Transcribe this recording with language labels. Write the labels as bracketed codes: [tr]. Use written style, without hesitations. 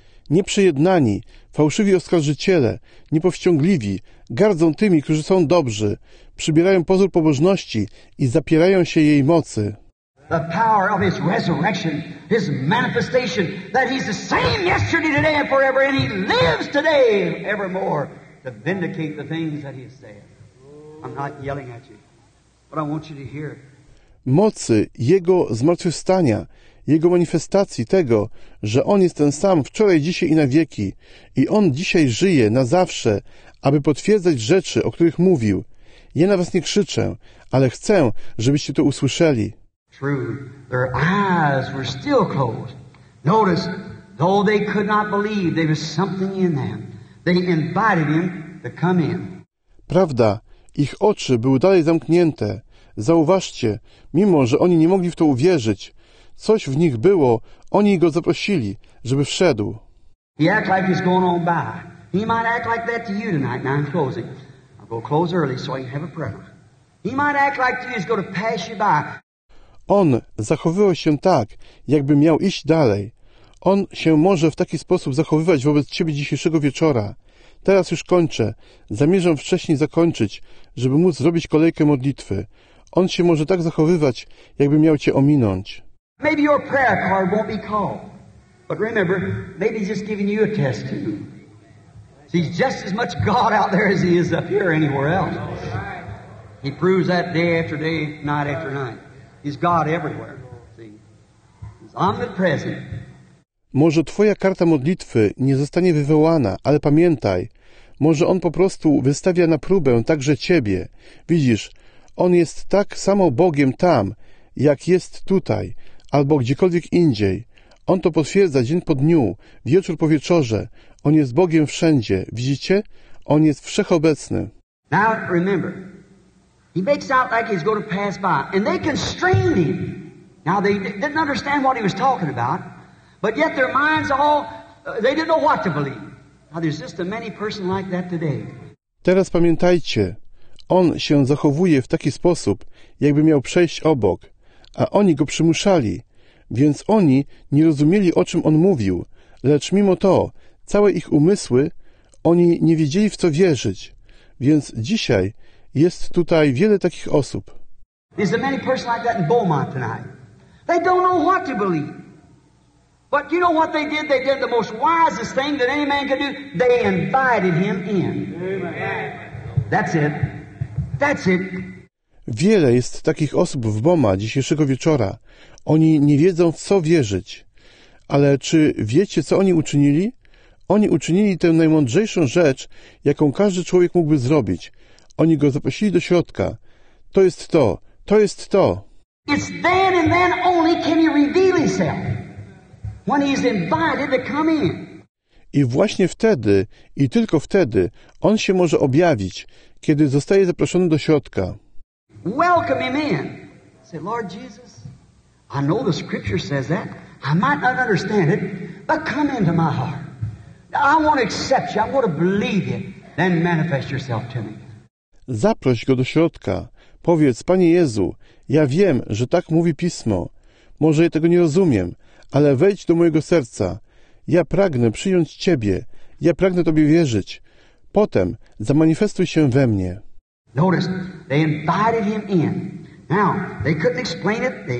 [pl] Nieprzejednani, fałszywi oskarżyciele, niepowściągliwi, gardzą tymi, którzy są dobrzy, przybierają pozór pobożności i zapierają się jej mocy. [en] The power of his resurrection, his manifestation, that he's the same yesterday, today, and forever, and he lives today, evermore, to vindicate the things that he has said. I'm not yelling at you, but I want you to hear it. [pl] Mocy jego zmartwychwstania, jego manifestacji tego, że on jest ten sam wczoraj, dzisiaj i na wieki, i on dzisiaj żyje na zawsze, aby potwierdzać rzeczy, o których mówił. Ja na was nie krzyczę, ale chcę, żebyście to usłyszeli. [en] True, their eyes were still closed. Notice, though they could not believe, there was something in them. They invited him to come in. [pl] Prawda, ich oczy były dalej zamknięte. Zauważcie, mimo że oni nie mogli w to uwierzyć, coś w nich było, oni go zaprosili, żeby wszedł. [en] He act like he's going on by. He might act like that to you tonight. Now I'm closing. I'll go close early so I can have a prayer. He might act like to you he's going to pass you by. [pl] On zachowywał się tak, jakby miał iść dalej. On się może w taki sposób zachowywać wobec ciebie dzisiejszego wieczora. Teraz już kończę. Zamierzam wcześniej zakończyć, żeby móc zrobić kolejkę modlitwy. On się może tak zachowywać, jakby miał cię ominąć. [en] Maybe your prayer card won't be called. But remember, maybe just giving you a test too. He's just as much God out there as he is up here anywhere else. He proves that day after day, night after night. He's God everywhere. See? He's omnipresent. [pl] Może twoja karta modlitwy nie zostanie wywołana, ale pamiętaj, może on po prostu wystawia na próbę także ciebie. Widzisz, on jest tak samo Bogiem tam, jak jest tutaj, albo gdziekolwiek indziej. On to potwierdza dzień po dniu, wieczór po wieczorze. On jest Bogiem wszędzie. Widzicie? On jest wszechobecny. [en] Now remember, he makes out like he's going to pass by, and they constrained him. Now they didn't understand what he was talking about, but yet their minds all, they didn't know what to believe. Now there's just a many person like that today. [pl] Teraz pamiętajcie, on się zachowuje w taki sposób, jakby miał przejść obok, a oni go przymuszali, więc oni nie rozumieli, o czym on mówił, lecz mimo to, całe ich umysły, oni nie wiedzieli, w co wierzyć. Więc dzisiaj jest tutaj wiele takich osób. [en] There's a many person like that in Beaumont tonight. They don't know what to believe. But you know what they did? They did the most wisest thing that any man could do. They invited him in. That's it. That's it. [pl] Wiele jest takich osób w Boma dzisiejszego wieczora. Oni nie wiedzą, w co wierzyć. Ale czy wiecie, co oni uczynili? Oni uczynili tę najmądrzejszą rzecz, jaką każdy człowiek mógłby zrobić. Oni go zaprosili do środka. To jest to. To jest to. [en] It's then and then only can he reveal himself when he's invited to come in. [pl] I właśnie wtedy, i tylko wtedy, on się może objawić, kiedy zostaje zaproszony do środka. [en] Welcome him in. Say, Lord Jesus, I know the scripture says that. I might not understand it, but come into my heart. I want to accept you. I want to believe you. Then manifest yourself to me. [pl] Zaproś go do środka. Powiedz, Panie Jezu, ja wiem, że tak mówi Pismo. Może ja tego nie rozumiem, ale wejdź do mojego serca. Ja pragnę przyjąć Ciebie. Ja pragnę Tobie wierzyć. Potem zamanifestuj się we mnie. [en] Notice, they invited him in. Now, they couldn't explain it.